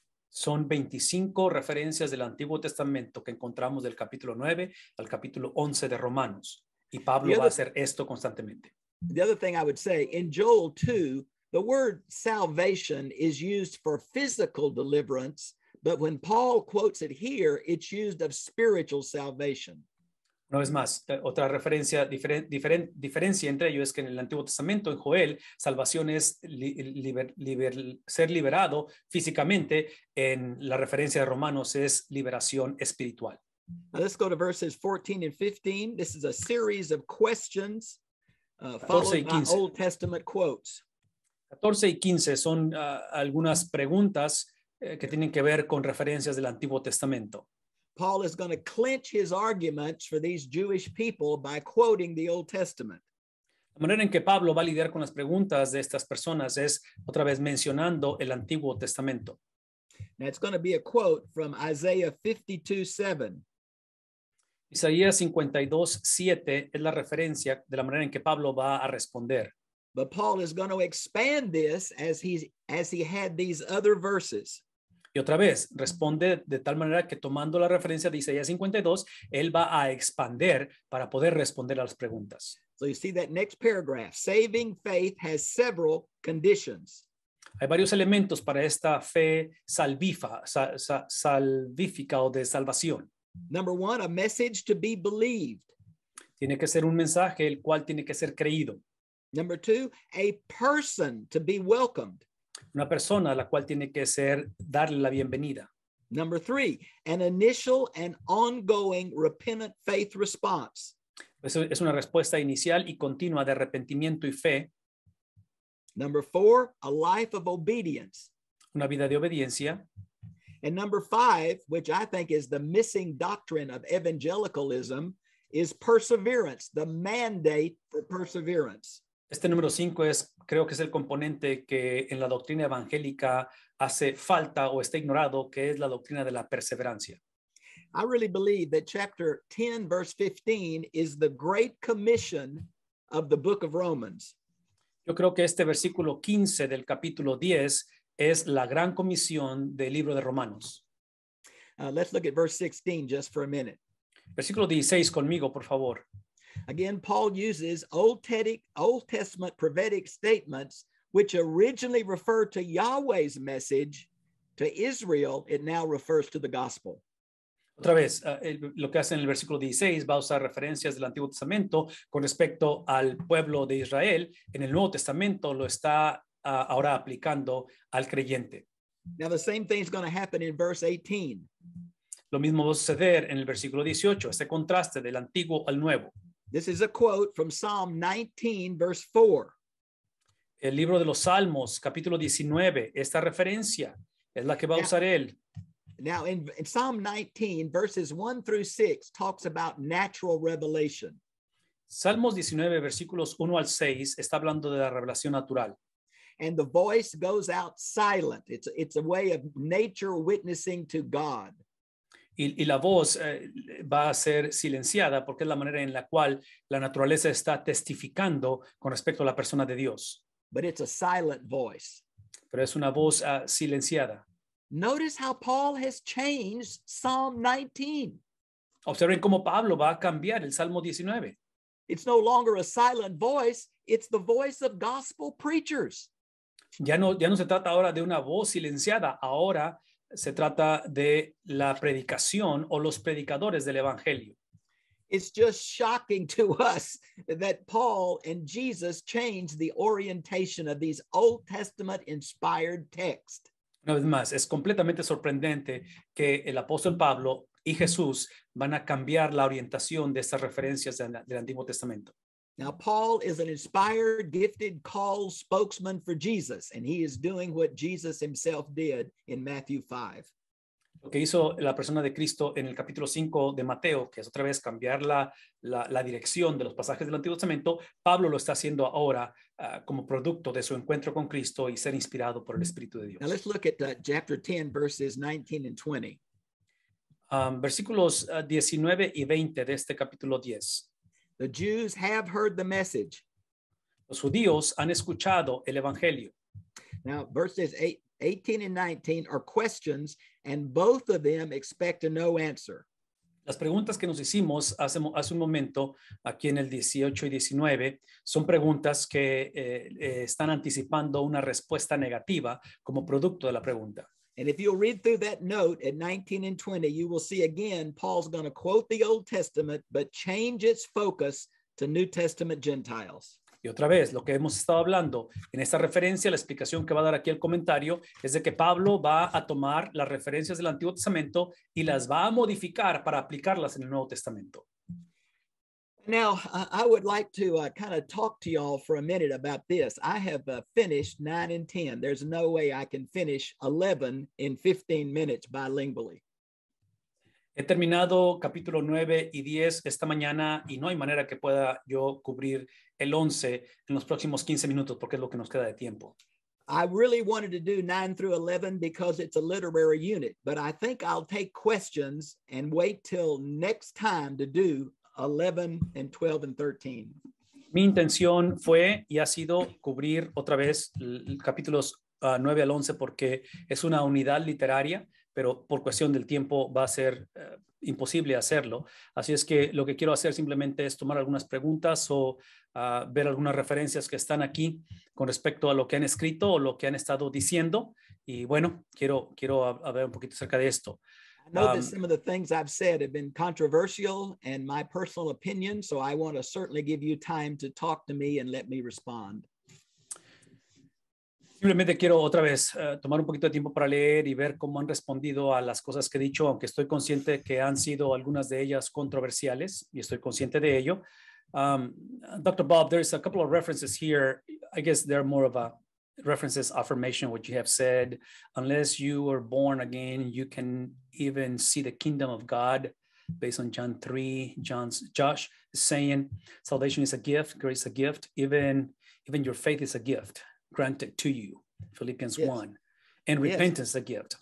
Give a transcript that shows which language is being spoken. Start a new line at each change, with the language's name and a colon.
Spanish: Son 25 referencias del Antiguo Testamento que encontramos del capítulo 9 al capítulo 11 de Romanos. Y Pablo va a hacer esto constantemente.
English: The other thing I would say, in Joel 2, the word salvation is used for physical deliverance, but when Paul quotes it here, it's used of spiritual salvation.
Spanish: Una vez más, otra referencia, diferencia entre ellos es que en el Antiguo Testamento, en Joel, salvación es ser liberado físicamente. En la referencia de Romanos es liberación espiritual.
English: Now let's go to verses 14 and 15. This is a series of questions followed by Old Testament quotes.
Spanish: 14 y 15 son algunas preguntas que tienen que ver con referencias del Antiguo Testamento.
English: Paul is going to clinch his arguments for these Jewish people by quoting the Old Testament.
Spanish: La manera en que Pablo va a lidiar con las preguntas de estas personas es otra vez mencionando el Antiguo Testamento.
English: Now it's going to be a quote from Isaiah 52:7.
Spanish: Isaías 52:7 es la referencia de la manera en que Pablo va a responder.
English: But Paul is going to expand this as he had these other verses.
Spanish: Y otra vez, responde de tal manera que tomando la referencia de Isaías 52, él va a expander para poder responder a las preguntas.
English: So you see that next paragraph, saving faith has several conditions.
Spanish: Hay varios elementos para esta fe salvífica o de salvación.
English: Number one, a message to be believed.
Spanish: Tiene que ser un mensaje el cual tiene que ser creído.
English: Number two, a person to be welcomed.
Spanish: Una persona a la cual tiene que ser darle la bienvenida.
English: Number three, an initial and ongoing repentant faith response.
Spanish: Eso es una respuesta inicial y continua de arrepentimiento y fe.
English: Number four, a life of obedience.
Spanish: Una vida de obediencia.
English: And number five, which I think is the missing doctrine of evangelicalism, is perseverance, the mandate for perseverance.
Spanish: Este número 5 es, creo que es el componente que en la doctrina evangélica hace falta o está ignorado, que es la doctrina de la perseverancia.
English: I really believe that chapter 10, verse 15 is the great commission of the book of Romans.
Spanish: Yo creo que este versículo 15 del capítulo 10 es la gran comisión del libro de Romanos.
English: Let's look at verse 16 just for a minute.
Spanish: Versículo 16 conmigo, por favor.
English: Again, Paul uses Old Testament prophetic statements, which originally referred to Yahweh's message to Israel. It now refers to the gospel.
Spanish: Otra vez, lo que hace en el versículo 16 va a usar referencias del Antiguo Testamento con respecto al pueblo de Israel. En el Nuevo Testamento lo está ahora aplicando al creyente.
English: Now the same thing is going to happen in verse 18.
Spanish: Lo mismo va a suceder en el versículo 18, este contraste del antiguo al nuevo.
English: This is a quote from Psalm 19, verse 4.
Spanish: El libro de los Salmos, capítulo 19, esta referencia es la que va a usar él.
English: Now, in Psalm 19, verses 1 through 6, talks about natural revelation.
Spanish: Salmos 19, versículos 1 al 6, está hablando de la revelación natural.
English: And the voice goes out silent. It's a way of nature witnessing to God.
Spanish: Y la voz va a ser silenciada porque es la manera en la cual la naturaleza está testificando con respecto a la persona de Dios.
English: But it's a silent voice.
Spanish: Pero es una voz silenciada.
English: Notice how Paul has changed Psalm 19.
Spanish: Observen cómo Pablo va a cambiar el Salmo 19.
English: It's no longer a silent voice. It's the voice of gospel preachers
Spanish: Ya no se trata ahora de una voz silenciada, ahora se trata de la predicación o los predicadores del evangelio.
English: It's just shocking to us that Paul and Jesus changed the orientation of these Old Testament inspired texts.
Spanish: Una vez más, es completamente sorprendente que el apóstol Pablo y Jesús van a cambiar la orientación de estas referencias del Antiguo Testamento.
English: Now, Paul is an inspired, gifted, called spokesman for Jesus, and he is doing what Jesus himself did in Matthew 5.
Spanish: Lo que hizo la persona de Cristo en el capítulo 5 de Mateo, que es otra vez cambiar la dirección de los pasajes del Antiguo Testamento, Pablo lo está haciendo ahora como producto de su encuentro con Cristo y ser inspirado por el Espíritu de Dios.
English: Now, let's look at chapter 10, verses 19 and 20.
Spanish: Versículos 19 y 20 de este capítulo 10.
English: The Jews have heard the message.
Spanish: Los judíos han escuchado el evangelio.
English: Now, verses 18 and 19 are questions, and both of them expect a no answer.
Spanish: Las preguntas que nos hicimos hace un momento aquí en el 18 y 19 son preguntas que están anticipando una respuesta negativa como producto de la pregunta.
English: And if you'll read through that note at 19 and 20, you will see again, Paul's going to quote the Old Testament, but change its focus to New Testament Gentiles.
Spanish: Y otra vez, lo que hemos estado hablando en esta referencia, la explicación que va a dar aquí el comentario, es de que Pablo va a tomar las referencias del Antiguo Testamento y las va a modificar para aplicarlas en el Nuevo Testamento.
English: Now, I would like to kind of talk to y'all for a minute about this. I have finished 9 and 10. There's no way I can finish 11 in 15 minutes bilingually.
Spanish: He terminado capítulo 9 y 10 esta mañana y no hay manera que pueda yo cubrir el 11 en los próximos 15 minutos porque es lo que nos queda de tiempo.
English: I really wanted to do 9 through 11 because it's a literary unit, but I think I'll take questions and wait till next time to do 11 and 12 and 13.
Spanish: Mi intención fue y ha sido cubrir otra vez capítulos 9 al 11 porque es una unidad literaria, pero por cuestión del tiempo va a ser imposible hacerlo. Así es que lo que quiero hacer simplemente es tomar algunas preguntas o ver algunas referencias que están aquí con respecto a lo que han escrito o lo que han estado diciendo. Y bueno, quiero hablar un poquito acerca de esto.
English: I know that some of the things I've said have been controversial and my personal opinion, so I want to certainly give you time to talk to me and let me respond.
Spanish: Simplemente quiero otra vez tomar un poquito de tiempo para leer y ver cómo han respondido a las cosas que he dicho, aunque estoy consciente que han sido algunas de ellas controversiales y estoy consciente de ello.
English: Dr. Bob, there's a couple of references here. I guess they're more of a references affirmation, what you have said. Unless you are born again, you can even see the kingdom of God based on John 3. Josh is saying salvation is a gift, grace is a gift, even your faith is a gift granted to you, Philippians 1, and repentance a gift.